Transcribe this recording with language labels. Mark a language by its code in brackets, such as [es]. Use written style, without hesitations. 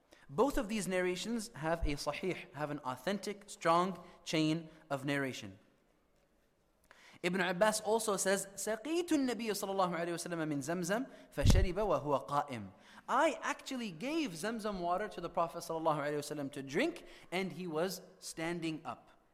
[en] Both of these narrations have a صحيح, have an authentic, strong chain of narration. Ibn Abbas also says, [ar] سَقِيتُ النَّبِيُّ صَلَى اللَّهُ عَلَيْهِ وَسَلَّمَ مِنْ زَمْزَمْ فَشَرِبَ وَهُوَ قَائِمٌ. [en] I actually gave Zamzam water to the Prophet صلى الله عليه وسلم to drink, and he was standing up.